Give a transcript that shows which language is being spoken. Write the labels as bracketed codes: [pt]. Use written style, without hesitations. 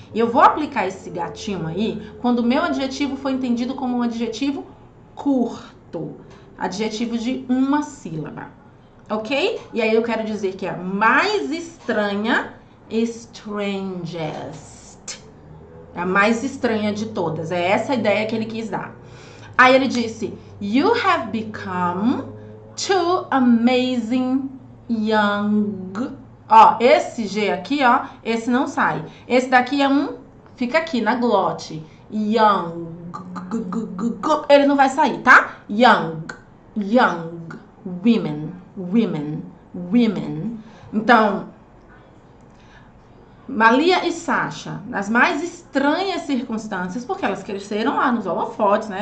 [pt] E eu vou aplicar esse gatinho aí quando o meu adjetivo for entendido como um adjetivo curto. Adjetivo de uma sílaba. Ok? E aí eu quero dizer que é mais estranha, strangest. É a mais estranha de todas. É essa a ideia que ele quis dar. Aí ele disse, [en] you have become two amazing young... [pt] Ó, esse G aqui, ó, esse não sai. Esse daqui é um... Fica aqui na glote. Young. Ele não vai sair, tá? Young. Young. Women. Women. Women. Então, Malia e Sasha, nas mais estranhas circunstâncias, porque elas cresceram lá nos holofotes, né?